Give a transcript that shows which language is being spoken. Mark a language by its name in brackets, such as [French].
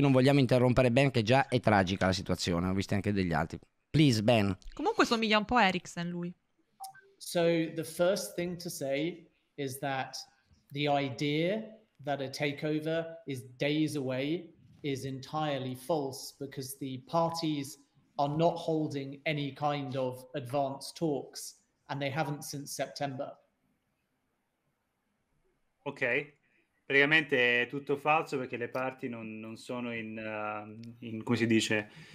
[Italian] Non vogliamo interrompere Ben, che già è tragica la situazione. Ho visto anche degli altri. [English] Please, Ben. [Italian] Comunque somiglia un po' a Ericsson, lui. [English] So the first thing to say is that the idea that a takeover is days away is entirely false, because the parties are not holding any kind of advanced talks, and they haven't since September. Ok. [Italian] Praticamente è tutto falso, perché le parti non sono in, in, come si dice...